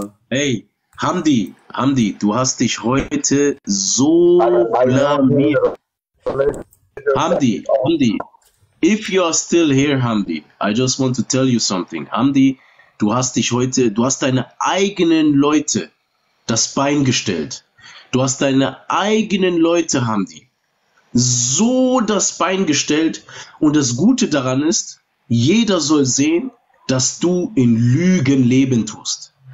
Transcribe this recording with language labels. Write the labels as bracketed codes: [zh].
[de] Hey, Hamdi, du hast dich heute so blamiert. [en] Hamdi, if you are still here, Hamdi, I just want to tell you something. [de] Hamdi, du hast dich heute, du hast deine eigenen Leute das Bein gestellt. Du hast deine eigenen Leute, Hamdi, so das Bein gestellt. Und das Gute daran ist, jeder soll sehen, dass du in Lügen leben tust.